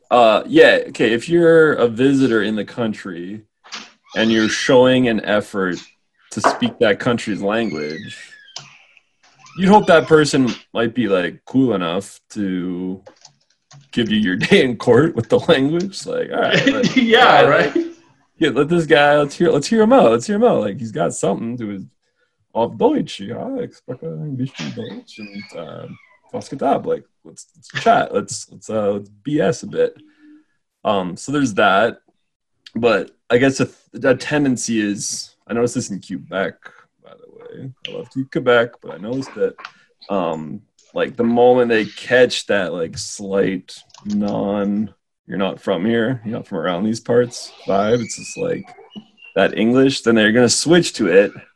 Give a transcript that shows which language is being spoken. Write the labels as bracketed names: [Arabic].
[English] If you're a visitor in the country and you're showing an effort to speak that country's language, you'd hope that person might be, like, cool enough to give you your day in court with the language. Like, all right. But, yeah, all right. Like, yeah, let this guy, let's hear him out. Like, he's got something to his, [German] auf Deutsch, ja, ich spreche ein bisschen Deutsch, und was geht ab? [English] Like, let's chat, let's BS a bit. So there's that, but I guess a tendency is, I noticed this in Quebec, by the way, I love Quebec, but I noticed that, like, the moment they catch that, like, slight non- you're not from here, you're not from around these parts vibe, it's just like that English, then they're going to switch to it.